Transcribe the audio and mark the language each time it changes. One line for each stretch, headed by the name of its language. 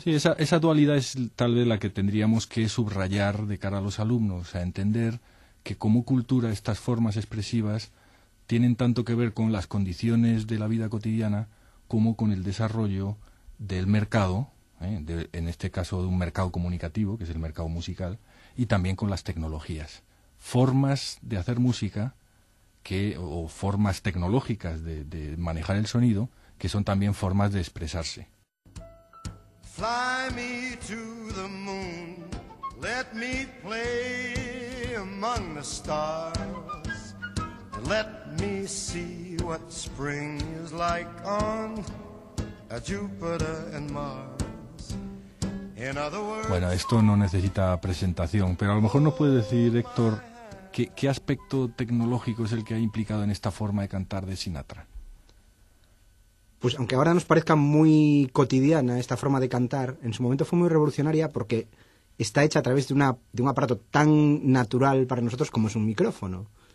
Spanish: Sí, esa dualidad es tal vez la que tendríamos que subrayar de cara a los alumnos, a entender que como cultura estas formas expresivas tienen tanto que ver con las condiciones de la vida cotidiana como con el desarrollo del mercado, en este caso de un mercado comunicativo, que es el mercado musical, y también con las tecnologías. Formas de hacer música o formas tecnológicas de manejar el sonido, que son también formas de expresarse.
English: Fly me to the moon, let me play among the stars, and let me see what spring is like on a Jupiter and Mars.
Spanish: Bueno, esto no necesita presentación, pero a lo mejor nos puede decir, Héctor, ¿qué aspecto tecnológico es el que ha implicado en esta forma de cantar de Sinatra? Pues aunque ahora nos parezca muy cotidiana esta forma de cantar, en su momento fue muy revolucionaria porque está hecha a través de un aparato tan natural para nosotros como es un micrófono.